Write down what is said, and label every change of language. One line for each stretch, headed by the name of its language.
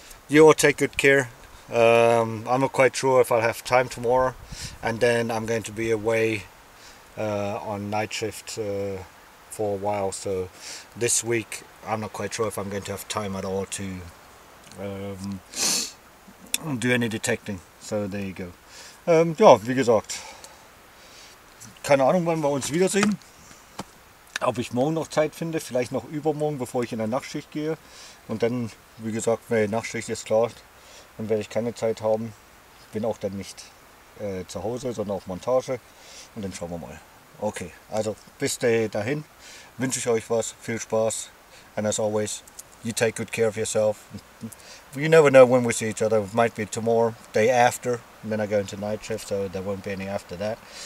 English: You all take good care. I'm not quite sure if I'll have time tomorrow. And then I'm going to be away on night shift for a while. So this week I'm not quite sure if I'm going to have time at all to do any detecting. So, there you go.
German: Ja, wie gesagt, keine Ahnung, wann wir uns wiedersehen. Ob ich morgen noch Zeit finde, vielleicht noch übermorgen, bevor ich in der Nachtschicht gehe. Und dann, wie gesagt, meine Nachtschicht ist klar, dann werde ich keine Zeit haben. Bin auch dann nicht zu Hause, sondern auf Montage. Und dann schauen wir mal. Okay, also bis dahin wünsche ich euch was. Viel Spaß.
English: And as always, you take good care of yourself. You never know when we see each other. It might be tomorrow, day after. And then I go into night shift, so there won't be any after that.